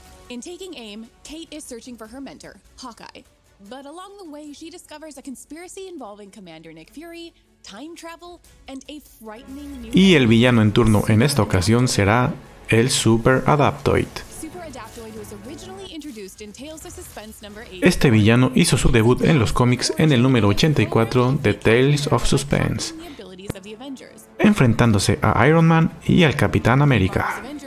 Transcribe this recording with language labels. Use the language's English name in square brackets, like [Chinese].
[English] In Taking Aim, Kate is searching for her mentor, Hawkeye. But along the way, she discovers a conspiracy involving Commander Nick Fury, time travel, and a frightening new... [Spanish] Y el villano en turno en esta ocasión será el Super Adaptoid. [English] Super Adaptoid was originally introduced in Tales of Suspense number 84. [Spanish] Este villano hizo su debut en los cómics en el número 84 de Tales of Suspense, enfrentándose a Iron Man y al Capitán América.